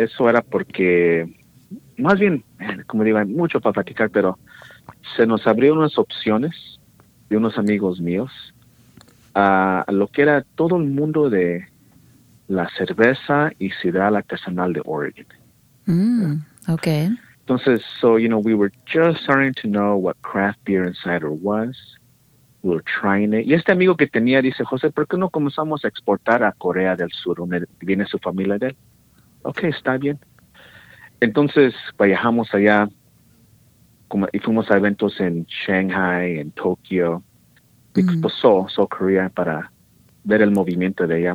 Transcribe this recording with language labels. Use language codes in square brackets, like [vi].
[es] Eso era porque, más bien, como digo, hay mucho para platicar, pero se nos abrieron unas opciones de unos amigos míos a lo que era todo el mundo de la cerveza y sidra artesanal de Oregon. Okay. [en] Entonces, so, you know, we were just starting to know what craft beer and cider was. We were trying it. [es] Y este amigo que tenía dice, José, ¿por qué no comenzamos a exportar a Corea del Sur, donde viene su familia de él? Okay, está bien. Entonces, viajamos allá y fuimos a eventos en Shanghai, en Tokio, expuso Seoul, Korea, para ver el movimiento de allá.